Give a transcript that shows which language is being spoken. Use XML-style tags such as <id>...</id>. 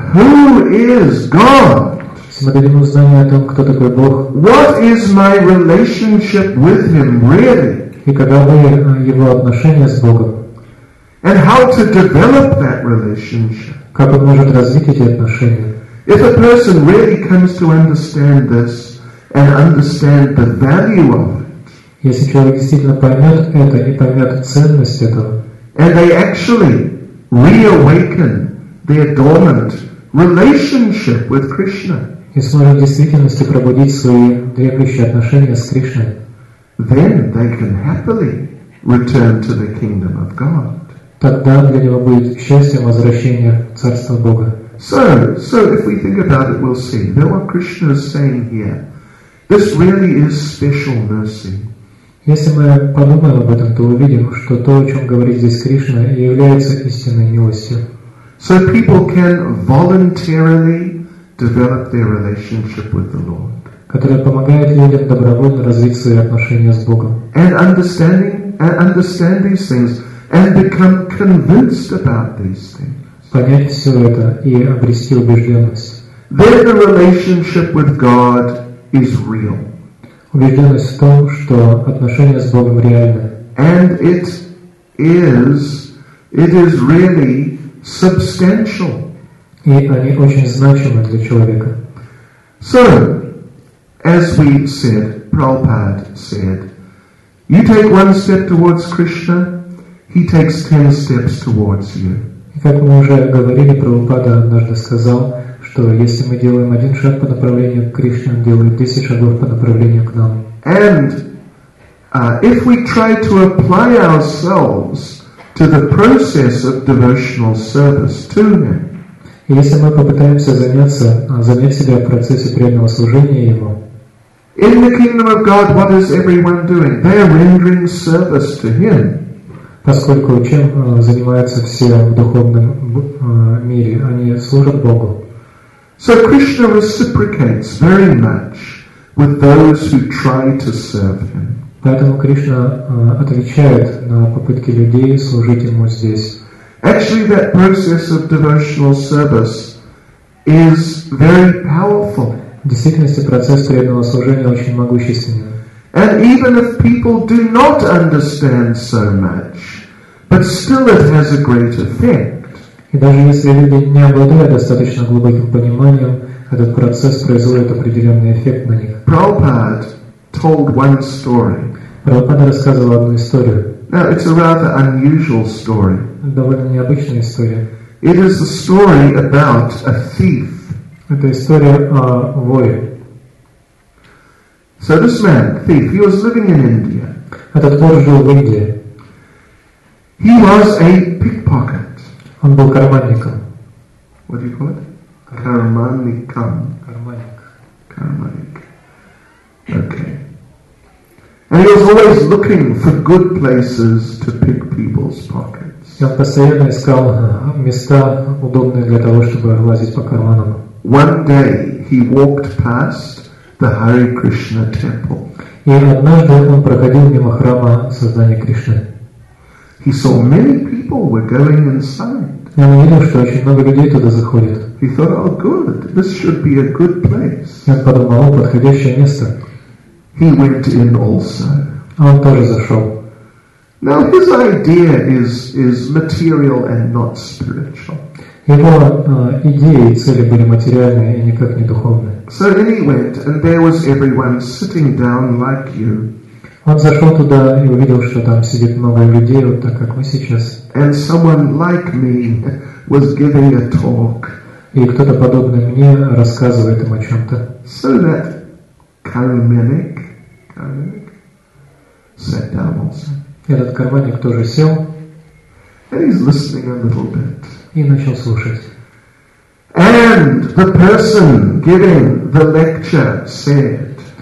<en>Who is God?</en> <ru>Если мы дадим знание о том, кто такой Бог.</ru> <en>What is my relationship with Him really?</en> <ru>И каковы его отношения с Богом?</ru> <en>And how to develop that relationship?</en> <ru>Как он может развить эти отношения?</ru> <en>If a person really comes to understand this and understand the value of it,</en> <ru>если человек действительно поймет это и поймет ценность этого,</ru> <en>and they actually reawaken their dormant relationship with Krishna,</en> <ru>и сможет в действительности пробудить свои дремлющие отношения с Кришной,</ru> <en>then they can happily return to the kingdom of God.</en> <ru>Тогда для него будет счастьем возвращение Царства Бога.</ru> <en>So if we think about it, we'll see. Now what Krishna is saying here, this really is special mercy.</en> <ru>Если мы подумаем об этом, то увидим, что то, о чем говорит здесь Кришна, является истинной милостью.</ru> <en>So people can voluntarily develop their relationship with the Lord.</en> <ru>Которая помогает людям добровольно развить свои отношения с Богом.</ru> <en>And understand these things and become convinced about these things.</en> <ru>Понять все это и обрести убежденность.</ru> <en>Then the relationship with God is real.</en> <ru>Убежденность в том, что отношения с Богом реальны.</ru> <en>And it is really substantial.</en> <ru>И они очень значимы для человека.</ru> <en>So, as we said, Prabhupada said, you take one step towards Krishna, he takes 10 steps towards you.</en> <ru>И как мы уже говорили, Прабхупада однажды сказал, что если мы делаем один шаг по направлению к Кришне, он делает 10 шагов по направлению к нам.</ru> <en>And if we try to apply ourselves to the process of devotional service to him,</en> <ru>если мы попытаемся занять себя в процессе преданного служения ему,</ru> <en>in the kingdom of God, what is everyone doing? They are rendering service to him.</en> <ru>Поскольку чем занимаются все в духовном мире, они служат Богу.</ru> <en>So Krishna reciprocates very much with those who try to serve him.</en> <ru>Поэтому Кришна отвечает на попытки людей служить ему здесь.</ru> <en>Actually, that process of devotional service is very powerful.</en> <ru>В действительности процесс преданного служения очень могущественен.</ru> <en>And even if people do not understand so much, but still it has a great effect.</en> <ru>И даже если люди не обладают достаточно глубоким пониманием, этот процесс производит определенный эффект на них. Прабхупада рассказывал одну историю.</ru> <en>Now it's a rather unusual story.</en> <ru>Довольно необычная история.</ru> <en>It is a story about a thief.</en> <ru>Это история о воре.</ru> <en>So this man, thief, he was living in India.</en> <ru>Этот вор жил в Индии.</ru> <en>He was a pickpocket.</en> <ru>Он был карманником.</ru> <en>What do you call it?</en> <ru>Карманником. Карманник. Карманник.</ru> <en>Okay. And he was always looking for good places to pick people's pockets.</en> <ru>Я постоянно искал места удобные для того, чтобы лазить по карманам.</ru> <en>One day he walked past the Hare Krishna temple.</en> <ru>И однажды он проходил мимо храма создания Кришны.</ru> <en>He saw many people were going inside.</en> <ru>И он увидел, что очень много людей туда заходит.</ru> <en>He thought, oh good, this should be a good place.</en> <ru>И он подумал, о, подходящее место.</ru> <en>He went in also.</en> <ru>Он тоже зашел.</ru> <en>Now his idea is material and not spiritual.</en> <ru>Его идеи и цели были материальные и никак не духовные.</ru> <en>So then he went, and there was everyone sitting down like you.</en> <ru>Он зашел туда и увидел, что там сидит много людей, вот так как мы сейчас.</ru> <en>And someone like me was giving a talk.</en> <ru>И кто-то подобный мне рассказывает им о чем-то.</ru> <en>So that Karmanik sat down also.</en> <ru>Этот карманник тоже сел.</ru> <en>And he's listening a little bit.</en> <ru>И начал слушать.</ru> <en>And the person giving the lecture said,</en>